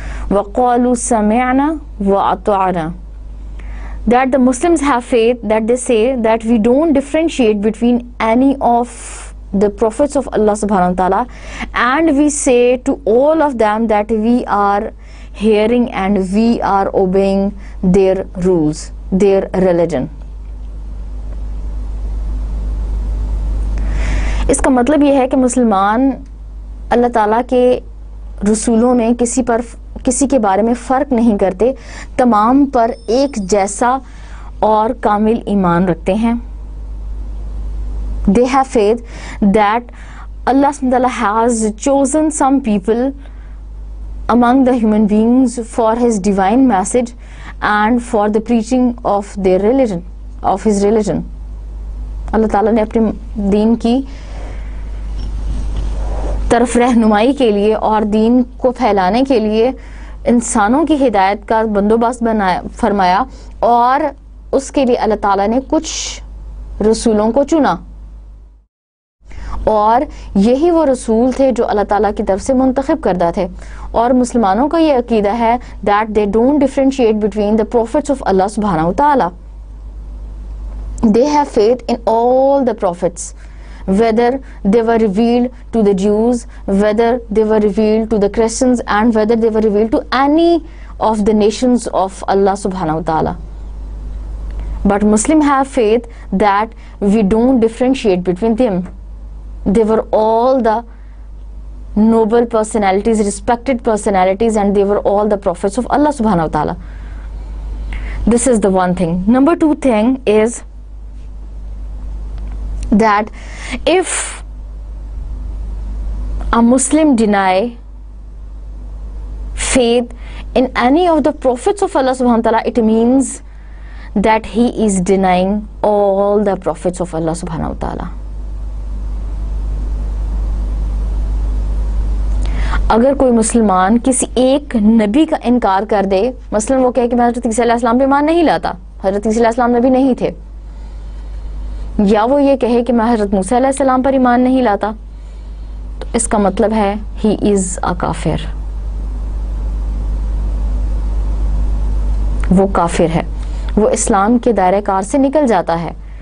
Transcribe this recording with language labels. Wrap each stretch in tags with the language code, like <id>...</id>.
<ar>وقالوا سمعنا واطعنا,</ar> <en>that the Muslims have faith, that they say that we don't differentiate between any of the prophets of Allah سبحانہ وتعالیٰ, and we say to all of them that we are hearing and we are obeying their rules, their religion.</en> <ur>اس کا مطلب یہ ہے کہ مسلمان اللہ تعالیٰ کے رسولوں میں کسی پر کسی کے بارے میں فرق نہیں کرتے, تمام پر ایک جیسا اور کامل ایمان رکھتے ہیں.</ur> <en>They have faith that Allah سبحانہ وتعالیٰ has chosen some people among the human beings for his divine message and for the preaching of their religion, of his religion.</en> <ur>Allah Ta'ala نے اپنے دین کی طرف رہنمائی کے لیے اور دین کو پھیلانے کے لیے انسانوں کی ہدایت کا بندوبست بنایا فرمایا, اور اس کے لیے اللہ تعالیٰ نے کچھ رسولوں کو چنا, اور یہی وہ رسول تھے جو اللہ تعالیٰ کی طرف سے منتخب کردہ تھے. اور مسلمانوں کا یہ عقیدہ ہے</ur> <en>that they don't differentiate between the prophets of Allah سبحانہ وتعالی. They have faith in all the prophets, whether they were revealed to the Jews, whether they were revealed to the Christians, and whether they were revealed to any of the nations of Allah سبحانہ وتعالی. But Muslim have faith that we don't differentiate between them. They were all the noble personalities, respected personalities, and they were all the prophets of Allah subhanahu wa ta'ala. This is the one thing. Number two thing is that if a Muslim deny faith in any of the prophets of Allah subhanahu wa ta'ala, it means that he is denying all the prophets of Allah subhanahu wa ta'ala.</en> <ur>اگر کوئی مسلمان کسی ایک نبی کا انکار کر دے, مثلا وہ کہے کہ میں حضرت عیسیٰ علیہ السلام پہ ایمان نہیں لاتا, حضرت عیسیٰ علیہ السلام نبی نہیں تھے, یا وہ یہ کہے کہ میں حضرت موسیٰ علیہ السلام پر ایمان نہیں لاتا, تو اس کا مطلب ہے</ur> <en>he is a</en> <ur>کافر, وہ کافر ہے, وہ اسلام کے دائرہ کار سے نکل جاتا ہے.</ur>